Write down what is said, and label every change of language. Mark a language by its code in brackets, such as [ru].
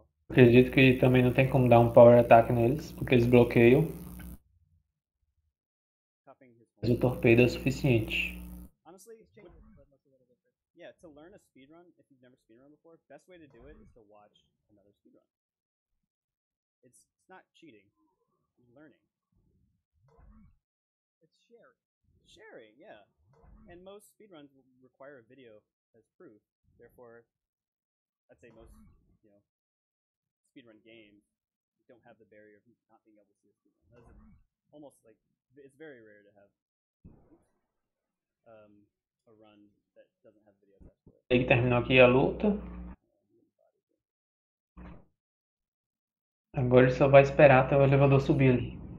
[pt] Acredito que também não tem como dar um power attack neles, porque eles bloqueiam. Mas o torpedo é suficiente. [en] Honestly, it's changed, but looks a little different. Yeah, to learn a speedrun, if you've never speedrun before, best way to do it is to watch another speedrun. It's not cheating. It's learning. It's sharing. Sharing, yeah. And most speedruns require a video as proof. Therefore, I'd say most, speedrun games don't have the barrier of not being able to see a speedrun. That's almost like it's very rare to have a run that doesn't have video attached to [pt] Tem que terminar aqui a luta. Agora ele só vai esperar até o elevador subir ali.